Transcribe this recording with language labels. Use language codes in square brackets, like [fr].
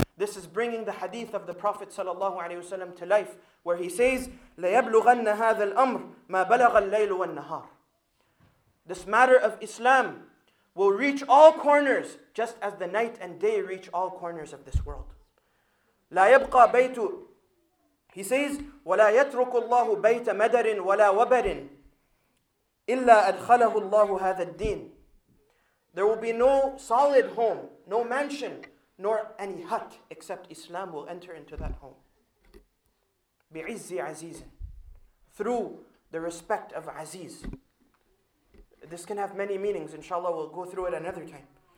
[en] This is bringing the hadith of the Prophet sallallahu alaihi wasallam to life, where he says, [ar] لَيَبْلُغَنَّ هَذَا الْأَمْرِ مَا بَلَغَ اللَّيْلُ وَالنَّهَارِ. [en] This matter of Islam will reach all corners, just as the night and day reach all corners of this world. [ar] لَا يَبْقَى بَيْتُ [en] He says, [ar] وَلَا يَتْرُكُ اللَّهُ بَيْتَ مَدَرٍ وَلَا وَبَرٍ إِلَّا أَدْخَلَهُ اللَّهُ هَذَا الدِّينِ. [en] There will be no solid home, no mansion, nor any hut, except Islam will enter into that home. [ar] بِعِزِّ عَزِيزٍ [en] Through the respect of Aziz. This can have many meanings. Inshallah, we'll go through it another time.